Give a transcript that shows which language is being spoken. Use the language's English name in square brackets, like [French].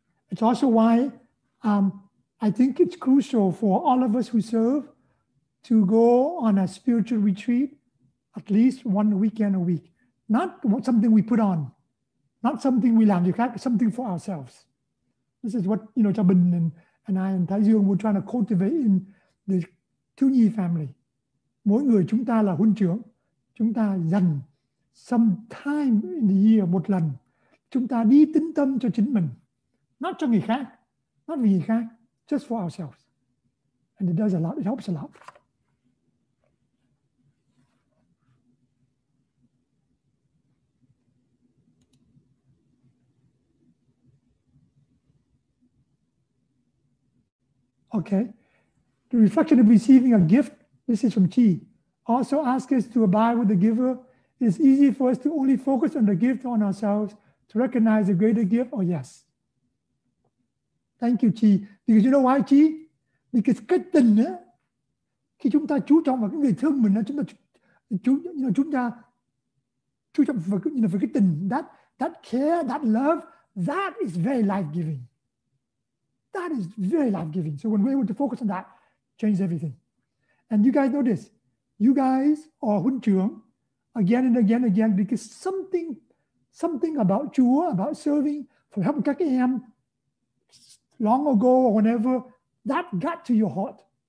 [English] It's also why I think it's crucial for all of us who serve to go on a spiritual retreat at least one weekend a week. Not something we put on, not something we learn, something for ourselves. This is what, you know, Chabun and I and Thái Dương were trying to cultivate in the Thu Nhi family. [Vietnamese] Mỗi người chúng ta là huân trưởng. Chúng ta dành [English] some time in the year [Vietnamese] một lần. Chúng ta đi tĩnh tâm cho chính mình. Not cho người khác. Not vì người khác. [English] Just for ourselves. And it does a lot. It helps a lot. Okay. The reflection of receiving a gift. This is from Chi. Also ask us to abide with the giver. It's easy for us to only focus on the gift on ourselves. To recognize a greater gift, oh yes. Thank you, Chi. Because you know why, Chi? [Vietnamese] Because cái tình á, khi chúng ta chú trọng vào cái người thương mình á, chúng ta chú, you know, chúng ta chú trọng vào, you know, vào cái tình, [English] that care, that love, that is very life-giving. That is very life-giving. So when we're able to focus on that, change everything. And you guys know this. You guys are huynh trưởng again and again and again because something about Chúa, about serving, from helping các em long ago or whenever, that got to your heart.